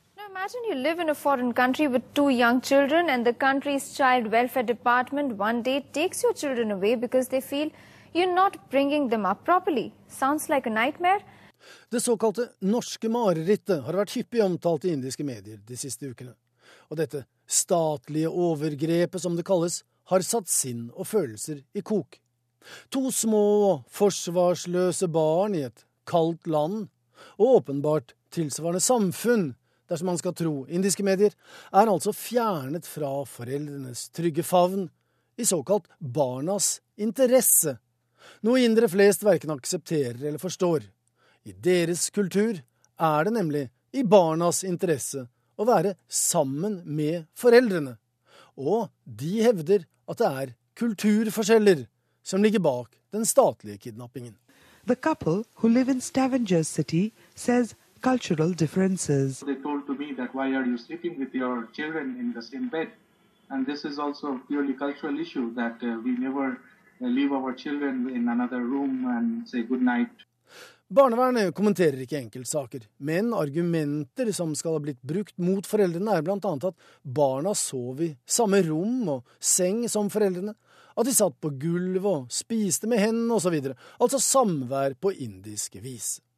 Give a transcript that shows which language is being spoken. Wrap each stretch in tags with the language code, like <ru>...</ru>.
<en>Imagine you live in a foreign country with two young children and the country's child welfare department one day takes your children away because they feel you're not bringing them up properly. Sounds like a nightmare.</en> <no>Det såkalte norske marerittet har vært hyppig omtalt i indiske medier de siste ukene. Og dette statlige overgrepet, som det kalles, har satt sinn og følelser i kok. To små og forsvarsløse barn i et kaldt land, og åpenbart tilsvarende samfunn, dersom man skal tro indiske medier, er altså fjernet fra foreldrenes trygge favn, i såkalt barnas interesse. Noe indre flest verken aksepterer eller forstår. I deres kultur er det nemlig i barnas interesse å være sammen med foreldrene. Og de hevder at det er kulturforskjeller som ligger bak den statlige kidnappingen.</no> <en>The couple who live in Stavanger City says cultural differences. They told to me that why are you sleeping with your children in the same bed? And this is also a purely cultural issue that we never leave our children in another room and say good night.</en> <no>Barnevernet kommenterer ikke enkeltsaker, men argumenter som skal ha blitt brukt mot foreldrene er blant annet at barna sov i samme rom og seng som foreldrene, at de satt på gulv og spiste med hendene og så videre, altså samvær på indiske vis.</no>